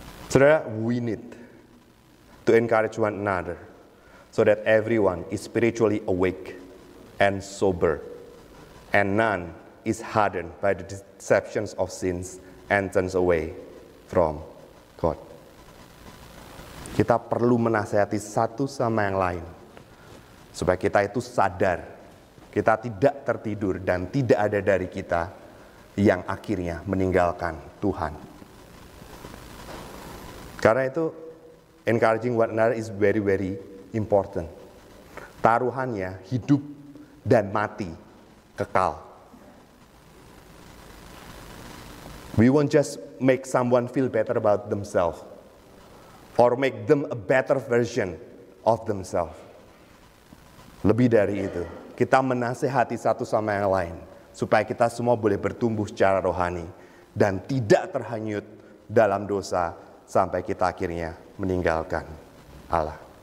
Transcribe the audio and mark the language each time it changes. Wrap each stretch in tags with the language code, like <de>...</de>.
<en>Saudara, we need to encourage one another so that everyone is spiritually awake and sober, and none is hardened by the deceptions of sins and turns away from God.</en> <id>Kita perlu menasihati satu sama yang lain supaya kita itu sadar, kita tidak tertidur, dan tidak ada dari kita yang akhirnya meninggalkan Tuhan. Karena itu,</id> <en>encouraging one another is very very important.</en> <id>Taruhannya hidup dan mati kekal.</id> <en>We won't just make someone feel better about themselves or make them a better version of themselves.</en> <id>Lebih dari itu, kita menasihati satu sama yang lain supaya kita semua boleh bertumbuh secara rohani dan tidak terhanyut dalam dosa sampai kita akhirnya meninggalkan Allah.</id>